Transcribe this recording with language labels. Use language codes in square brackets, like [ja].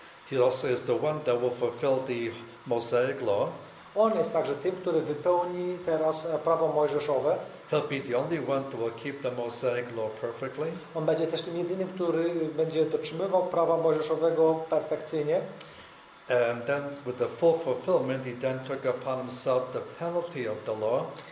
[en] He also is the one that will fulfill the Mosaic law. [pl] On jest także tym, który wypełni teraz prawo mojżeszowe. [en] He'll be the only one to keep the Mosaic law perfectly. [pl] On będzie też tym jedynym, który będzie dotrzymywał prawa mojżeszowego perfekcyjnie. [en] And then with the full fulfillment, he then took upon himself the penalty of the law.